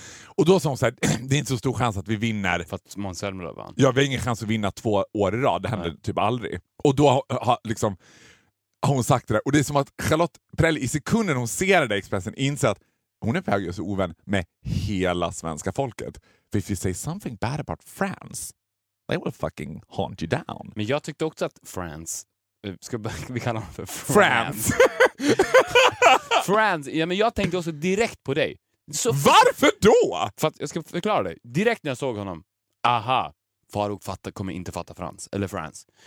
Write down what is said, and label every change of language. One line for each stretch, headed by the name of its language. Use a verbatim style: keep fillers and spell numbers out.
Swedish: Och då sa hon så här: det är inte så stor chans att vi vinner. För att Måns Zelmerlöw vann. Ja, vi har ingen chans att vinna två år i rad. Det händer typ aldrig. Och då har, har liksom har hon sagt det där. Och det är som att Charlotte Perrelli i sekunden hon ser det där Expressen inser att hon är på hög och så ovän med hela svenska folket.
English: För if you say something bad about France, they will fucking haunt you down.
Swedish: Men jag tyckte också att France... Ska vi kalla honom för France? France! France. Ja, men jag tänkte också direkt på dig. Så, varför då? För att jag ska förklara dig. Direkt när jag såg honom. Aha. Faruk fattar, kommer inte fatta France. Eller France.